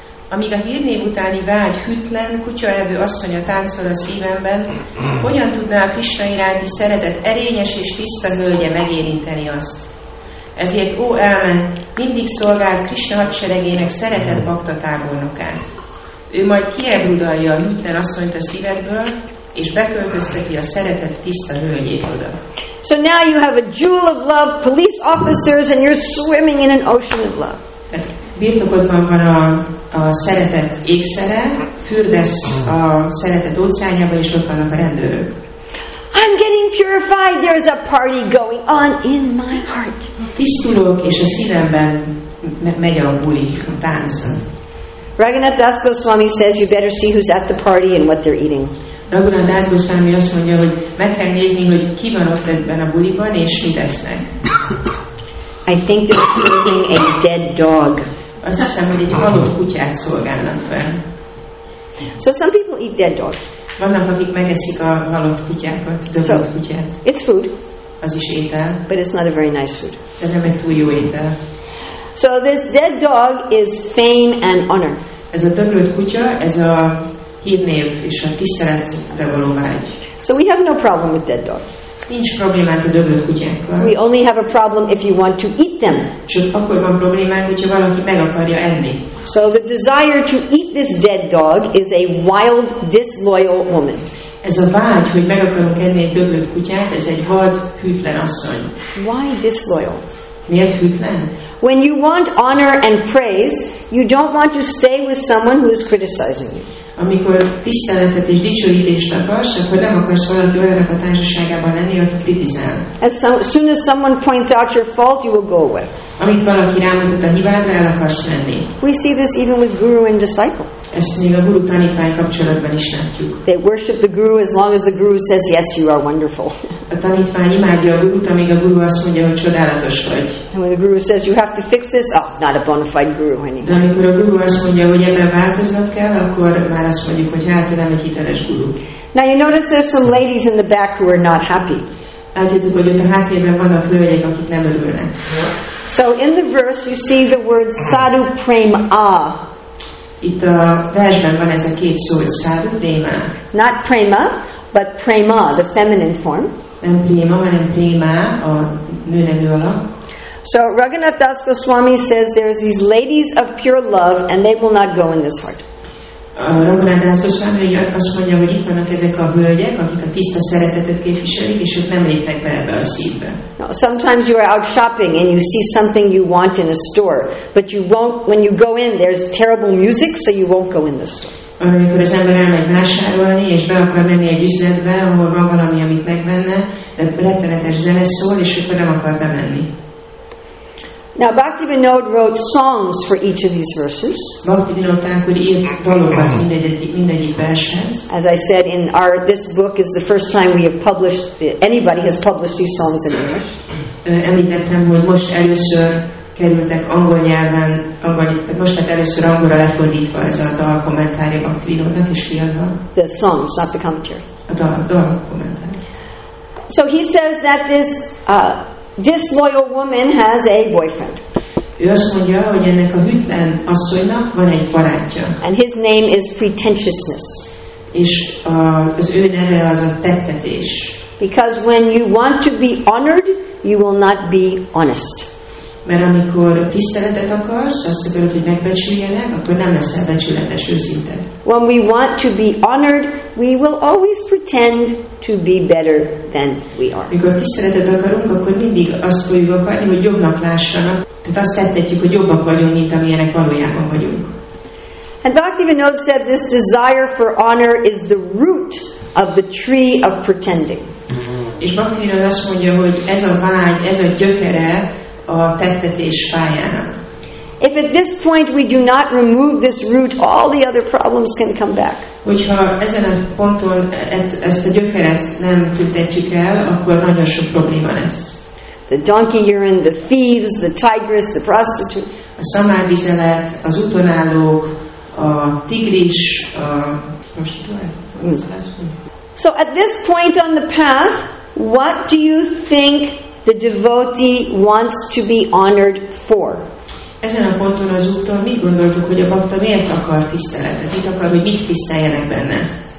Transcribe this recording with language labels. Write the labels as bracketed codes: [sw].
[hu] Amíg a hírnév utáni vágy hűtlen, kutyaevő asszonya táncol a szívemben, hogyan tudná a Krisna iránti szeretet erényes és tiszta hölgye megérinteni azt? Ezért ó elme, mindig szolgált Krisna hadseregének szeretett bhakta tábornokát. Ő majd kieruldalja a hűtlen asszonyt a szívedből, és beköltözteti a szeretett tiszta hölgyét oda. [en] So now you have a jewel of love, police officers, and you're swimming in an ocean of love. [hu] Birtokodban van a a szeretet ékszere, fürdesz a szeretet óceánjába, és ott vannak a rendőrök. [en] I'm getting purified. There's a party going on in my heart. [hu] Tisztulok, és a szívemben megy a buli, a tánc. [en] Raghunath Das Goswami says you better see who's at the party and what they're eating. [hu] Raghunath Das Goswami azt mondja, hogy meg kell nézni, hogy ki van ott ebben a buliban, és mit esznek. [en] I think they're serving a dead dog. [hu] Azt hiszem, hogy egy halott kutyát szolgálnak fel. [en] So some people eat dead dogs. [hu] Vannak, akik megeszik a halott kutyákat, dögött kutyát. [en] It's food. [hu] Az is étel. [en] But it's not a very nice food. [hu] De nem egy túl jó étel. [en] So this dead dog is fame and honor. [hu] Ez a dögött kutya, ez a hírnév és a tiszteletre való vágy. [en] So we have no problem with dead dogs. [hu] Nincs problémát a dögött kutyákkal. [en] We only have a problem if you want to eat them. [hu] Csak akkor van problémánk, hogyha valaki meg akarja enni. [en] So the desire to eat this dead dog is a wild, disloyal woman. [hu] Ez a vágy, hogy meg akarunk enni egy dögött kutyát, ez egy vad, hűtlen asszony. [en] Why disloyal? [hu] Miért hűtlen? [en] When you want honor and praise, you don't want to stay with someone who is criticizing you. [hu] Amikor tiszteletet és dicsőítést akarsz, akkor nem akarsz valaki olyannak a társaságában lenni, aki kritizál. [en] As soon as someone points out your fault, you will go away. [hu] Amit valaki rámutat a hibádra, el akarsz lenni. [en] We see this even with guru and disciple. [hu] Ezt még a guru tanítvány kapcsolatban is látjuk. [en] They worship the guru as long as the guru says, yes, you are wonderful. [hu] A tanítvány imádja a gurut, amíg a guru azt mondja, hogy csodálatos vagy. [en] And when the guru says, you have to fix this, oh, not a bona fide guru anymore. [hu] De amikor a guru azt mondja, hogy ebben változnod kell, akkor már azt mondjuk, hogy hát, nem egy hiteles guru. [en] Now you notice there's some ladies in the back who are not happy. [hu] Látjátok, hogy ott a háttérben vannak hölgyek, akik nem örülnek. [en] So in the verse you see the word sadhu prema. [hu] Itt a versben van ez a két szó, hogy sadhu prema. [en] Not prema, but prema, the feminine form. [hu] Nem prema, hanem prema, a nőnevű alak. [en] So Raghunath Das Goswami says there's these ladies of pure love and they will not go in this heart. [hu] Raghunath Das Goswami azt mondja, hogy itt vannak ezek a hölgyek, akik a tiszta szeretetet képviselik, és ők nem lépnek be ebbe a szívbe. [en] Now, sometimes you are out shopping and you see something you want in a store, but you won't, when you go in, there's terrible music, so you won't go in the store. [hu] Amikor az ember elmegy vásárolni, és be akar menni egy üzletbe, ahol van valami, amit megvenne, de rettenetes zene szól, és akkor nem akar bemenni. [en] Now Bhaktivinoda wrote songs for each of these verses. [hu] Bhaktivinoda Thakur írt dalokat mindegyik vershez. [en] As I said, in our this book is the first time we have published anybody has published these songs in English. [hu] Említettem, hogy most először kerültek angol nyelven, most lett először angolra lefordítva ez a dal kommentárja Bhaktivinodának és kiadva. [en] The songs, not the commentary. [hu] A dal kommentárja. [en] So he says that this disloyal woman has a boyfriend. [hu] Ő azt mondja, hogy ennek a hűtlen asszonynak van egy barátja. [en] And his name is pretentiousness. [hu] És az ő neve az a tettetés. [en] Because when you want to be honored, you will not be honest. [hu] Mert amikor tiszteletet akarsz, azt akarod, hogy megbecsüljenek, akkor nem leszel becsületes, őszinte. [en] When we want to be honored, we will always pretend to be better than we are. [hu] Mikor tiszteletet akarunk, akkor mindig azt fogjuk akarni, hogy jobbnak lássanak. Tehát azt tettetjük, hogy jobbak vagyunk, mint amilyenek valójában vagyunk. [en] And Bhaktivinoda said this desire for honor is the root of the tree of pretending. [hu] És Bhaktivinoda azt mondja, hogy ez a vágy, ez a gyökere a tettetés fájának. [en] If at this point we do not remove this root, all the other problems can come back. [hu] Hogyha ezen a ponton ezt a gyökeret nem tüntetjük el, akkor nagyon sok probléma lesz. [en] The donkey urine, the thieves, the tigress, the prostitute. [hu] A szamárvizelet, az utonállók, a tigris, a prostituált. [en] So at this point on the path, what do you think the devotee wants to be honored for? [hu] Ezen a ponton az úton mit gondoltuk, hogy a bakta miért akar tiszteletet? Mit akar, hogy mit tiszteljenek benne?